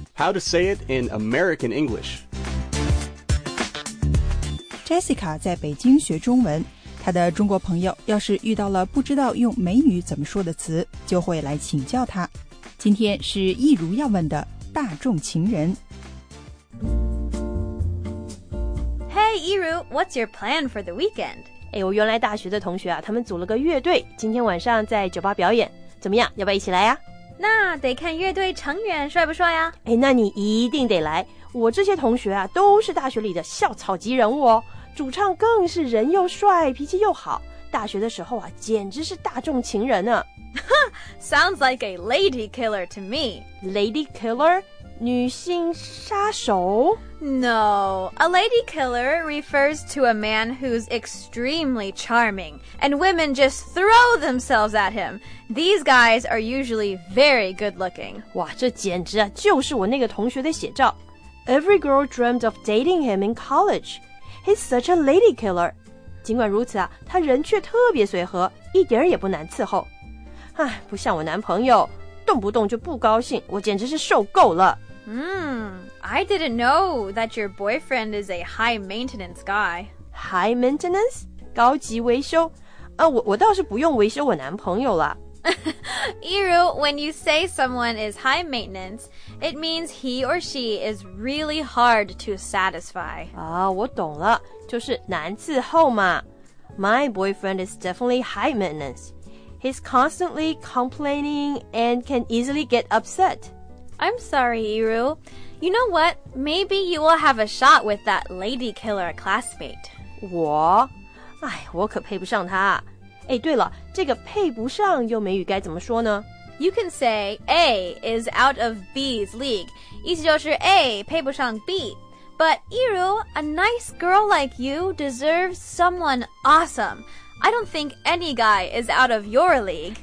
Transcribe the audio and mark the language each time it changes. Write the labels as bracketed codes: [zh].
[en] How to say it in American English. [zh] Jessica 在北京学中文，她的中国朋友要是遇到了不知道用美语怎么说的词，就会来请教她。今天是一如要问的大众情人。 [en] Hey, 一如， what's your plan for the weekend? [zh] 哎，我原来大学的同学啊，他们组了个乐队，今天晚上在酒吧表演，怎么样？要不要一起来呀？那得看乐队成员帅不帅呀。哎，那你一定得来，我这些同学啊都是大学里的校草级人物哦，主唱更是人又帅脾气又好，大学的时候啊简直是大众情人啊。 [en] Sounds like a lady killer to me. [zh] Lady killer? 女性杀手？ [en] No, a lady killer refers to a man who's extremely charming, and women just throw themselves at him. These guys are usually very good looking. [zh] 哇，这简直啊，就是我那个同学的写照。 [en] Every girl dreamed of dating him in college. He's such a lady killer. [zh] 尽管如此啊，他人却特别随和，一点也不难伺候。唉，不像我男朋友，动不动就不高兴，我简直是受够了。 [en] I didn't know that your boyfriend is a high maintenance guy. [zh] High maintenance? 高级维修？我倒是不用维修我男朋友啦。 [en] Iru, when you say someone is high maintenance, it means he or she is really hard to satisfy. [zh] 啊，我懂了，就是难伺候嘛。 [en] My boyfriend is definitely high maintenance. He's constantly complaining and can easily get upset. I'm sorry, Iru. You know what? Maybe you will have a shot with that lady killer classmate. [zh] 我？哎，我可配不上他。哎，对了，这个配不上用美语该怎么说呢？ [en] You can say A is out of B's league. [zh] 意思就是 A 配不上 B. [en] But Iru, a nice girl like you deserves someone awesome. I don't think any guy is out of your league.